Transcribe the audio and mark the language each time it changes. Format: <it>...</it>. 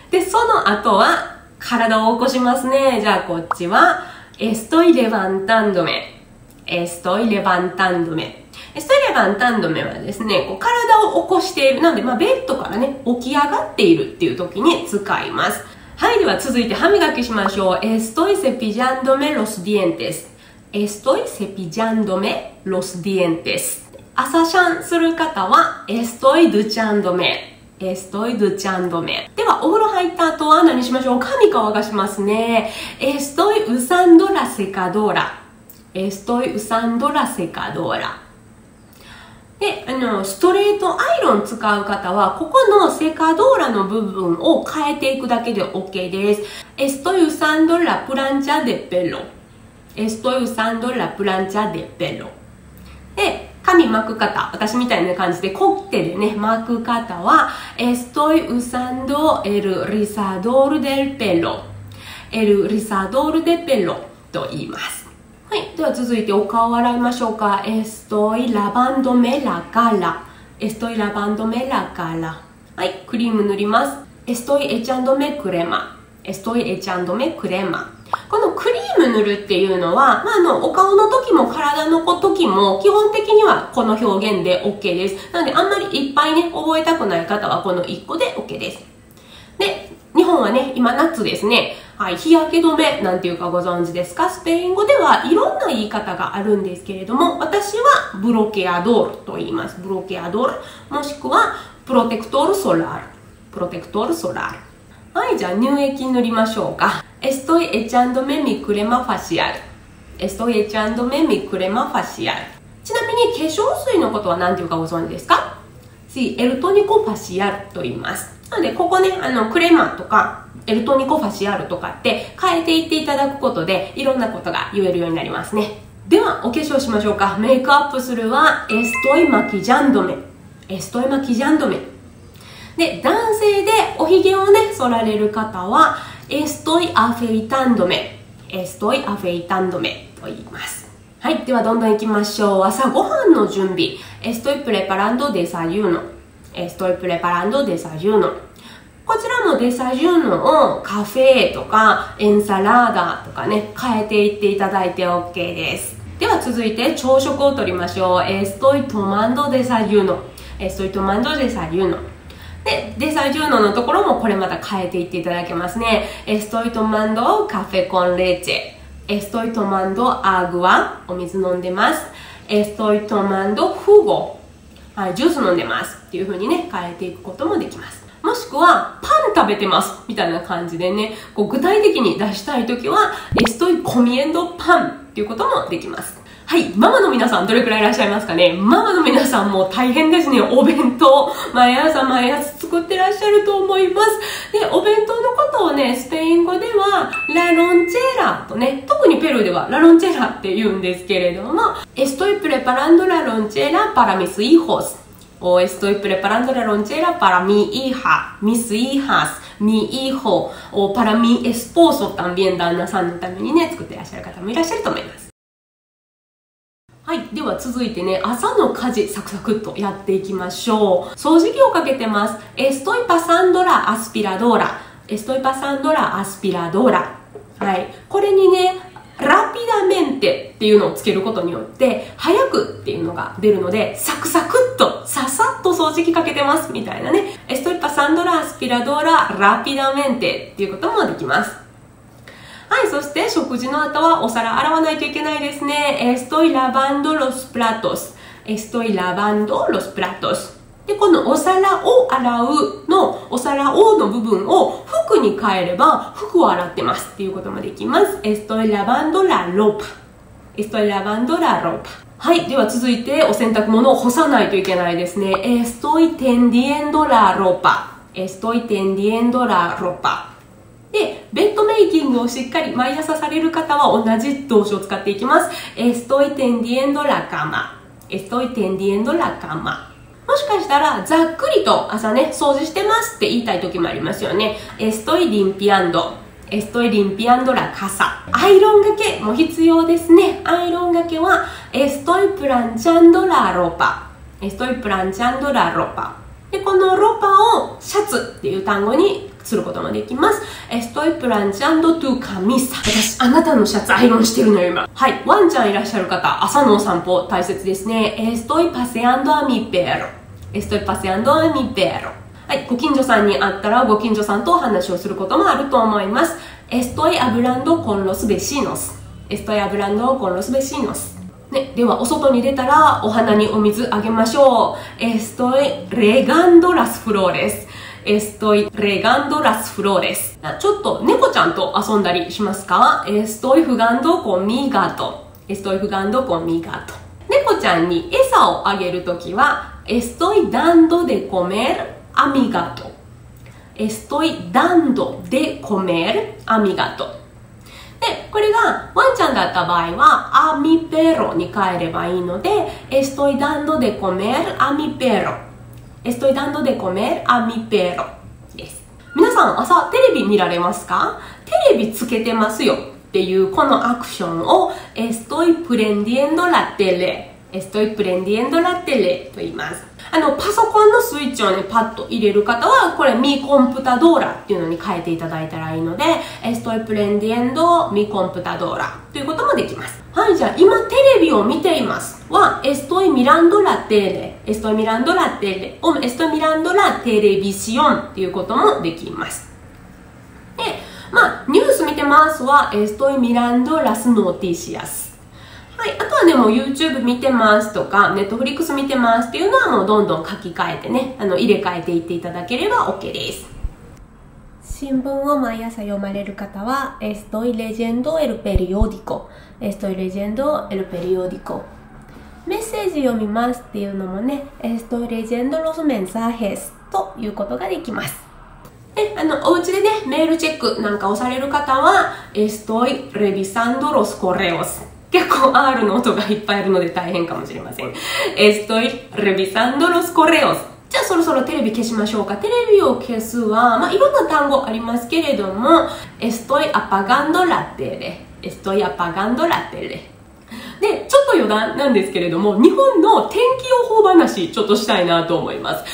<ja>で、その後は体を起こしますね。じゃあこっちは</ja> <es>Estoy levantando me。 Estoy levantando me。 Estoy levantando me</es> <ja>はですね、こう体を起こしている。なので、まあ、ベッドからね、起き上がっているっていう時に使います。はい、では続いて歯磨きしましょう。</ja> <es>Estoy cepillando me los dientes。 Estoy cepillándome los dientes。</es> <ja>朝シャンする方は</ja> <es>Estoy duchándome。 Estoy duchándome。</es> <ja>ではお風呂入った後は何しましょう。髪乾かしますね。</ja> <es>Estoy usando la secadora。 Estoy usando la secadora。</es> <ja>で、ストレートアイロン使う方は、ここのセカドーラの部分を変えていくだけで OK です。</ja> <es>Estoy usando la plancha de peloEstoy usando la plancha de pelo。</es> <ja>で、髪巻く方、私みたいな感じでコッテでね、巻く方は</ja> <es>Estoy usando el rizador del pelo。 El rizador de pelo</es> <ja>と言います。はい、では続いてお顔を洗いましょうか。</ja> <es>Estoy lavándome la cara。 Estoy lavándome la cara。</es> <ja>はい、クリーム塗ります。</ja> <es>Estoy echándome crema。 Estoy echándome crema。</es> <ja>このクリーム塗るっていうのは、まあ、お顔の時も体の時も基本的にはこの表現で OK です。なので、あんまりいっぱいね、覚えたくない方はこの1個で OK です。で、日本はね、今夏ですね。はい、日焼け止めなんていうかご存知ですか？スペイン語ではいろんな言い方があるんですけれども、私はブロケアドールと言います。ブロケアドール、もしくはプロテクトールソラール。プロテクトールソラール。はい、じゃあ乳液塗りましょうか。</ja> <es>Estoy echándome mi crema facial。 Estoy echándome mi crema facial。</es> <ja>ちなみに化粧水のことは何ていうかご存知ですか？</ja> <es>Sí, el tónico facial</es> <ja>と言います。なので、ここね、クレマとかエルトニコファシアルとかって変えていっていただくことで、いろんなことが言えるようになりますね。ではお化粧しましょうか。メイクアップするは</ja> <es>Estoy maquillándome。 Estoy maquillándome。</es> <ja>で、男性でおひげをね、剃られる方は</ja> <es>Estoy afeitándome。 Estoy afeitándome</es> <ja>と言います。はい、ではどんどん行きましょう。朝ごはんの準備。</ja> <es>Estoy preparando desayuno。 Estoy preparando desayuno。</es> <ja>こちらもdesayunoをカフェとかエンサラーダとかね、変えていっていただいて OK です。では続いて朝食を取りましょう。</ja> <es>Estoy tomando desayuno。 Estoy tomando desayuno。</es> <ja>で、デサジューノのところもこれまた変えていっていただけますね。</ja> <es>Estoy tomando café con leche。 Estoy tomando agua。</es> <ja>お水飲んでます。</ja> <es>Estoy tomando jugo。</es> <ja>ジュース飲んでますっていう風にね、変えていくこともできます。もしくはパン食べてますみたいな感じでね、こう具体的に出したいときは</ja> <es>Estoy comiendo pan</es> <ja>っていうこともできます。はい、ママの皆さんどれくらいいらっしゃいますかね。ママの皆さんも大変ですね。お弁当毎朝作っ作ってらっしゃると思います。でお弁当のことをねスペイン語ではラロンチェーラとね、特にペルーではラロンチェーラって言うんですけれども、</ja> <es>estoy preparando la lonchera para mis hijos o estoy preparando la lonchera para mi hija mis hijas mi hijo o para mi esposo también</es> <ja>旦那さんのためにね作ってらっしゃる方もいらっしゃると思います。はい、では続いてね、朝の家事サクサクっとやっていきましょう。掃除機をかけてます。</ja> <es>Estoy pasando la aspiradora. Estoy pasando la aspiradora.</es> <ja>はい、これにね、rápidamente っていうのをつけることによって、早くっていうのが出るので、サクサクっと、ささっと掃除機かけてますみたいなね。</ja> <es>Estoy pasando la aspiradora rápidamente っていうこともできます。</es> <ja>はい、そして食事の後はお皿洗わないといけないですね。</ja> <es>Estoy lavando los platos. Estoy lavando los platos.</es> <ja>で、このお皿を洗うの、お皿をの部分を服に変えれば、服を洗ってますっていうこともできます。</ja> <es>Estoy lavando la ropa. Estoy lavando la ropa.</es> <ja>はい、では続いてお洗濯物を干さないといけないですね。</ja> <es>Estoy tendiendo la ropa. Estoy tendiendo la ropa.</es> <ja>で、ベッドメイキングをしっかり毎朝される方は同じ動詞を使っていきます。</ja> <es>Estoy tendiendo la cama. Estoy tendiendo la cama.</es> <ja>もしかしたら、ざっくりと朝ね、掃除してますって言いたい時もありますよね。</ja> <es>Estoy limpiando. Estoy limpiando la casa.</es> <ja>アイロンがけも必要ですね。アイロンがけは、</ja> <es>Estoy planchando la ropa. Estoy planchando la ropa.</es> <ja>で、このロパをシャツっていう単語にすることもできます。</ja> <es>Estoy planchando tu camisa。</es> <ja>私、あなたのシャツアイロンしてるのよ、今。はい。ワンちゃんいらっしゃる方、朝のお散歩大切ですね。</ja> <es>Estoy paseando a mi perro。 Estoy paseando a mi perro。</es> <ja>はい。ご近所さんに会ったら、ご近所さんとお話をすることもあると思います。</ja> <es>Estoy hablando con los vecinos。 Estoy hablando con los vecinos。</es> <ja>ね、ではお外に出たらお花にお水あげましょう。</ja> <es>Estoy regando las flores. Estoy regando las flores.</es> <ja>ちょっと猫ちゃんと遊んだりしますか？</ja> <es>Estoy jugando con mi gato. Estoy jugando con mi gato.</es> <ja>猫ちゃんに餌をあげるときは</ja> <es>Estoy dando de comer a mi gato. Estoy dando de comer a mi gato.</es> <ja>で、これがワンちゃんだった場合は、アミペロに変えればいいので、</ja> <es>Estoy dando de comer a mi perro。 Estoy dando de comer a mi perro です。</es> <ja>皆さん、朝テレビ見られますか？テレビつけてますよっていうこのアクションを、</ja> <es>Estoy prendiendo la tele。 Estoy prendiendo la tele</es> <ja>と言います。パソコンのスイッチをね、パッと入れる方は、これ、mi computadora っていうのに変えていただいたらいいので、</ja> <es>estoy prendiendo mi computadora</es> <ja>ということもできます。はい、じゃあ、今テレビを見ていますは、</ja> <es>estoy mirando la tele。 estoy mirando la tele。 estoy mirando la televisión</es> <ja>っていうこともできます。で、まあ、ニュース見てますは、</ja> <es>estoy mirando las noticias。</es> <ja>はい、あとはね、もう YouTube 見てますとか、Netflix 見てますっていうのはもうどんどん書き換えてね、入れ替えていっていただければ OK です。新聞を毎朝読まれる方は、</ja> <es>Estoy leyendo el periódico。 Estoy leyendo el periódico。</es> <ja>メッセージ読みますっていうのもね、</ja> <es>Estoy leyendo los mensajes</es> <ja>ということができます。で、お家でね、メールチェックなんかをされる方は、</ja> <es>Estoy revisando los correos。</es> <ja>結構 R の音がいっぱいあるので大変かもしれません。</ja> <es>Estoy revisando los correos。</es> <ja>じゃあそろそろテレビ消しましょうか。テレビを消すは、まあ、いろんな単語ありますけれども、</ja> <es>Estoy apagando la tele。 Estoy apagando la tele。</es> <ja>で、ちょっと余談なんですけれども、日本の天気予報話ちょっとしたいなと思います。</ja>